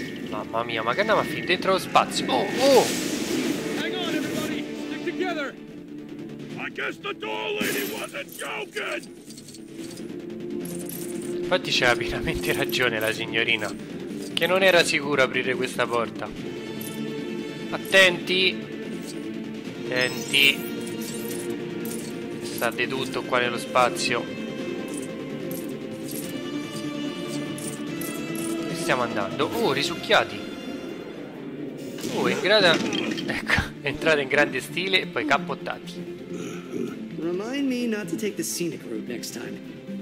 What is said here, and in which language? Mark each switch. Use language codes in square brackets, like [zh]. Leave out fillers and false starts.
[it] Mamma mia, ma che andiamo a finire dentro lo spazio? [en] Oh, oh! Hang on, everybody! Stick together! I guess the door lady wasn't joking! [it] Infatti c'era pienamente ragione la signorina, che non era sicuro aprire questa porta. Attenti! Attenti! Sta di tutto qua nello spazio. Dove stiamo andando? Oh, risucchiati! Oh, in grada. Ecco, entrata in grande stile e poi cappottati. [en] Remind me not to take the scenic route next time.